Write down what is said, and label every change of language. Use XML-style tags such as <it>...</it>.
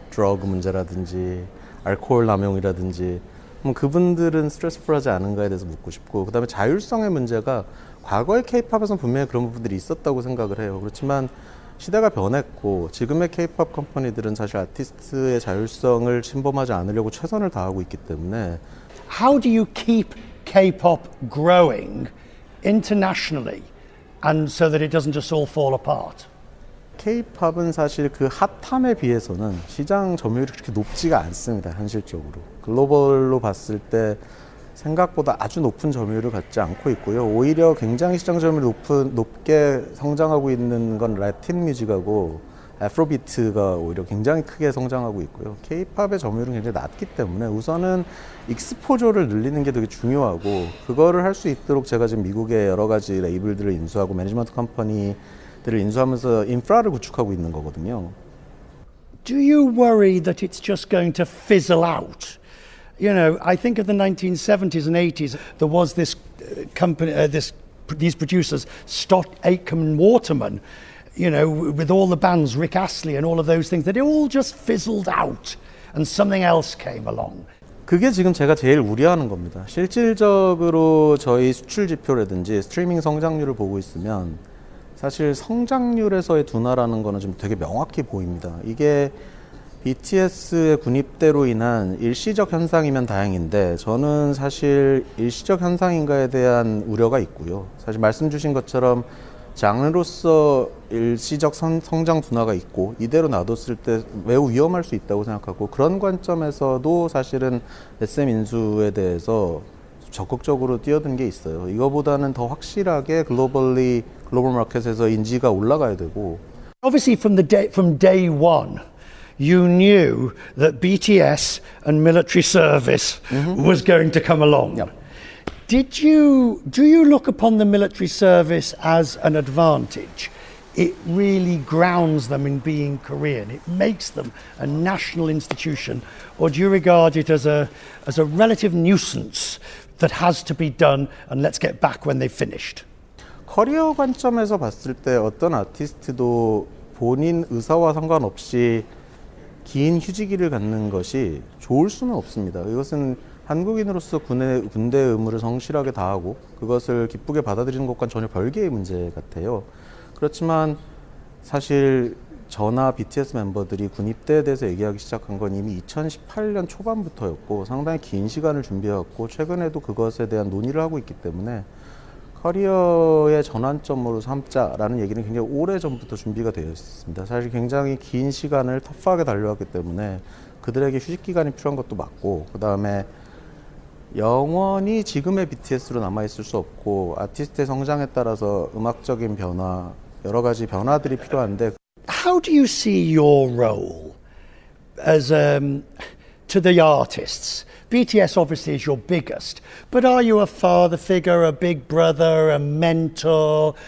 <ko>드러그 문제라든지 알코올 남용이라든지 그분들은 스트레스풀하지 않은가에 대해서 묻고 싶고 그 다음에 자율성의 문제가 과거의 케이팝에서는 분명히 그런 부분들이 있었다고 생각을 해요. 그렇지만 시대가 변했고 지금의 케이팝 컴퍼니들은 사실 아티스트의 자율성을 침범하지 않으려고 최선을 다하고 있기 때문에</ko> <en>How do you keep K-pop growing internationally and so that it doesn't just all fall apart.</en> <ko>K-pop은 사실 그 핫함에 비해서는 시장 점유율이 그렇게 높지가 않습니다. 현실적으로. 글로벌로 봤을 때 생각보다 아주 높은 점유율을 갖지 않고 있고요. 오히려 굉장히 시장 점유율 높게 성장하고 있는 건 라틴 뮤직하고 애프로비트가 오히려 굉장히 크게 성장하고 있고요. K-POP의 점유율은 굉장히 낮기 때문에 우선은 익스포저를 늘리는 게 되게 중요하고 그거를 할 수 있도록 제가 지금 미국의 여러 가지 레이블들을 인수하고 매니지먼트 컴퍼니들을 인수하면서 인프라를 구축하고 있는 거거든요.</ko> <en>Do you worry that it's just going to fizzle out? You know, I think of the 1970s and 80s, there was this company, these producers, Stott, Aitken, and Waterman, you know, with all the bands, Rick Astley and all of those things, that it all just fizzled out and something else came along.</en> <ko>그게 지금 제가 제일 우려하는 겁니다. 실질적으로 저희 수출 지표라든지 스트리밍 성장률을 보고 있으면 사실 성장률에서의 둔화라는 거는 지금 되게 명확히 보입니다. 이게 BTS의 군입대로 인한 일시적 현상이면 다행인데 저는 사실 일시적 현상인가에 대한 우려가 있고요. 사실 말씀 주신 것처럼 장르로서 일시적 성장 둔화가 있고 이대로 놔뒀을 때 매우 위험할 수 있다고 생각하고 그런 관점에서도 사실은 SM 인수에 대해서 적극적으로 뛰어든 게 있어요. 이거보다는 더 확실하게 글로벌 마켓에서 인지가 올라가야 되고</ko> <en>Obviously from day one you knew that BTS and military service was going to come along. Yep. Do you look upon the military service as an advantage? It really grounds them in being Korean. It makes them a national institution. Or do you regard it as a relative nuisance that has to be done and let's get back when they've finished?</en> <ko>커리어 관점에서 봤을 때 어떤 아티스트도 본인 의사와 상관없이 긴 휴지기를 갖는 것이 좋을 수는 없습니다. 이것은 한국인으로서 군대 의무를 성실하게 다하고 그것을 기쁘게 받아들이는 것과는 전혀 별개의 문제 같아요. 그렇지만 사실 저나 BTS 멤버들이 군입대에 대해서 얘기하기 시작한 건 이미 2018년 초반부터였고 상당히 긴 시간을 준비해왔고 최근에도 그것에 대한 논의를 하고 있기 때문에 커리어의 전환점으로 삼자라는 얘기는 굉장히 오래전부터 준비가 되어 있습니다. 사실 굉장히 긴 시간을 터프하게 달려왔기 때문에 그들에게 휴식 기간이 필요한 것도 맞고 그다음에 영원히 지금의 BTS로 남아있을 수 없고 아티스트의 성장에 따라서 음악적인 변화, 여러 가지 변화들이 필요한데</ko> <en>How do you see your role as to the artists? BTS obviously is your biggest, but are you a father figure, a big brother, a mentor?</en>